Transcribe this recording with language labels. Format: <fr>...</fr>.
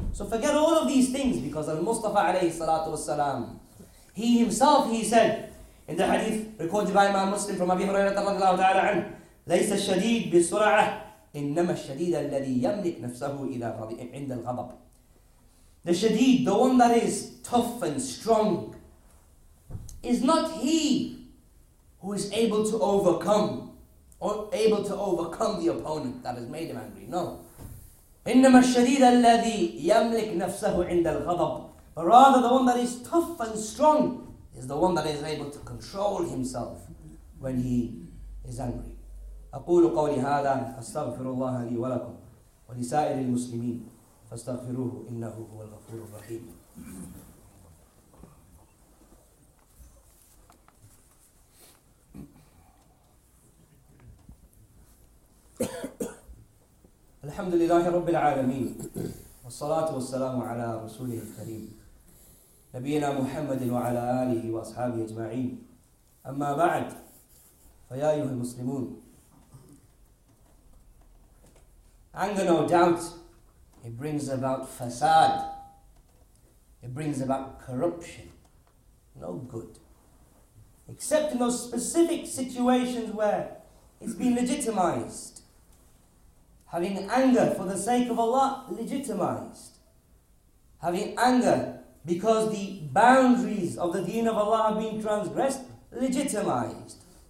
<en>So forget all of these things, because Al-Mustafa alayhi salatu wasalam, he himself, he said, in the hadith recorded by Imam Muslim from Abi Hurairah radiallahu ta'ala anhu,</en> <ar>لَيْسَ الشَّدِيدُ بِسُرَعَةٍ إِنَّمَا الشَّدِيدَ الَّذِي يَمْلِكْ نَفْسَهُ إِذَا رَضِيَ عِنْدَ الْغَضَبِ.</ar> <en>The shadeed, the one that is tough and strong, is not he who is able to overcome, or able to overcome the opponent that has made him angry. No.</en> <ar>إنما الشديد الذي يملك نفسه عند الغضب.</ar> <en>But rather, the one that is tough and strong is the one that is able to control himself when he is angry.</en> <ar>أقول قولي هذا أستغفر الله لي ولكم ولسائر المسلمين فاستغفروه إنه هو الغفور الرحيم. الحمد لله رب العالمين والصلاة والسلام على رسوله الكريم نبينا محمد وعلى آله وأصحابه أجمعين أما بعد فيا أيها المسلمون</ar> <en>Anger, no doubt, it brings about fasad. It brings about corruption. No good. Except in those specific situations where it's been legitimized. Having anger for the sake of Allah, legitimized. Having anger because the boundaries of the deen of Allah have been transgressed, legitimized.</en>